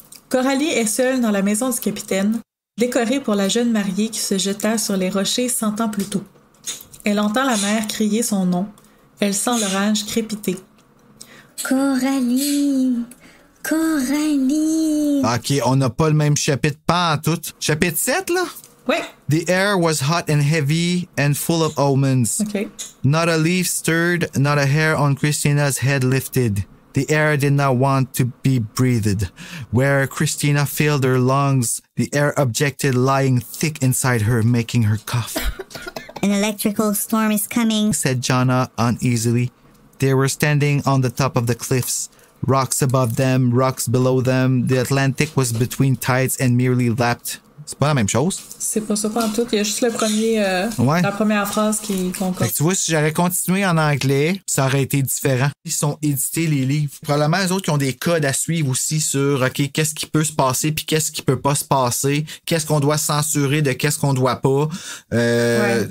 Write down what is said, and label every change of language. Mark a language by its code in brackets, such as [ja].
[fr] Coralie est seule dans la maison du capitaine, décorée pour la jeune mariée qui se jeta sur les rochers 100 ans plus tôt. Elle entend la mer crier son nom. Elle sent l'orage crépiter. Coralie! Coralie! OK, on n'a pas le même chapitre, pas en tout. Chapitre 7, là? Oui. [en] The air was hot and heavy and full of omens. OK. Not a leaf stirred, not a hair on Christina's head lifted. The air did not want to be breathed. Where Christina filled her lungs, the air objected, lying thick inside her, making her cough. An electrical storm is coming, said Jana uneasily. They were standing on the top of the cliffs. Rocks above them, rocks below them. The Atlantic was between tides and merely lapped. [fr] C'est pas la même chose. C'est pas ça, pas en tout. Il y a juste le premier, ouais. La première phrase qui concorde. Tu vois, si j'avais continué en anglais, ça aurait été différent. Ils sont édités, les livres. Probablement, eux autres qui ont des codes à suivre aussi sur OK, qu'est-ce qui peut se passer puis qu'est-ce qui peut pas se passer. Qu'est-ce qu'on doit censurer de qu'est-ce qu'on doit pas. Ouais.